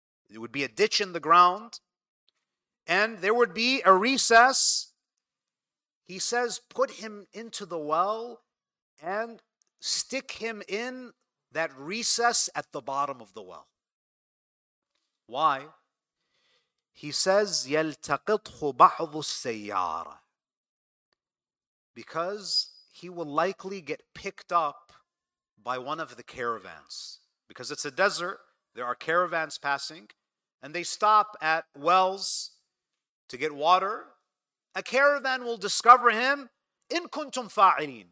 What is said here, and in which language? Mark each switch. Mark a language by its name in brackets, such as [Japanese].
[English] It would be a ditch in the ground, and there would be a recess. He says, put him into the well and stick him in that recess at the bottom of the well. Why? He says, [Arabic] يَلْتَقِطْهُ بَعْضُ السَّيَّارَ. [English] Because he will likely get picked up by one of the caravans. Because it's a desert, there are caravans passing, and they stop at wells to get water. A caravan will discover him, [Arabic] إِنْ كُنْتُمْ فَاعِلِينَ.